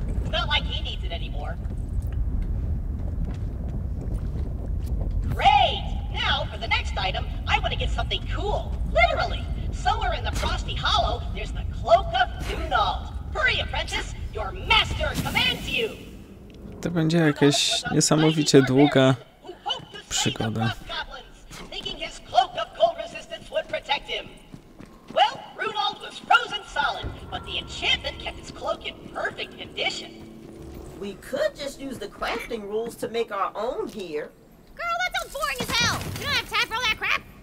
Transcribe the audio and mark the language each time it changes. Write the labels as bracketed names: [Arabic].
[English] Not like he needs it anymore. Great! Now for the next item, I want to get something cool. Literally! Somewhere in the Frosty Hollow, there's the Cloak of Dunald. Hurry, apprentice! Your master commands you! [Polish] To będzie jakaś niesamowicie długa przygoda. [English] Thinking his cloak of cold resistance would protect him. Well, Runald was frozen solid, but the enchantment kept his cloak in perfect condition. We could just use the crafting rules to make our own here. Girl, that sounds boring as hell! You don't have time for all that crap?